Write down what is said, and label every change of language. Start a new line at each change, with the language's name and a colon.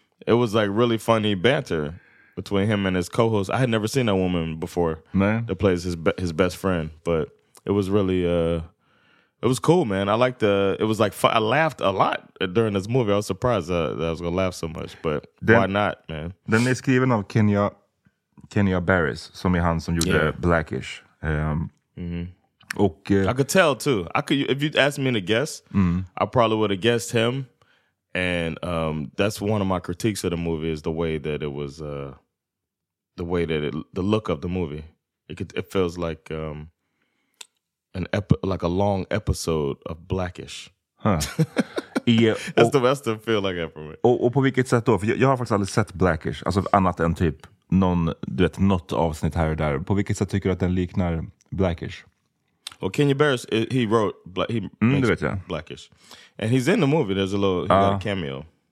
English: It was like really funny banter between him and his co-host. I had never seen that woman before, man, that plays his best friend. But it was really, it was cool, man. I liked the, it was like, I laughed a lot during this movie. I was surprised that I was going to laugh so much, but den, why not, man?
Swedish: Den är skriven av Kenya Barris, som är han som gjorde Blackish.
English: I could tell too. I could, if you'd asked me to guess, I probably would have guessed him. And that's one of my critiques of the movie, is the way that it was, the way that it, the look of the movie. It could, it feels like like a long episode of Blackish. Huh. That's the best to feel like for me.
Swedish: Och på vilket sätt då? För jag har faktiskt aldrig sett Blackish, alltså annat än typ någon, du vet, något avsnitt här och där. På vilket sätt tycker du att den liknar Blackish?
English: Well, Kenya Barris, he wrote Blackish. And he's in the movie. There's a little he got a cameo.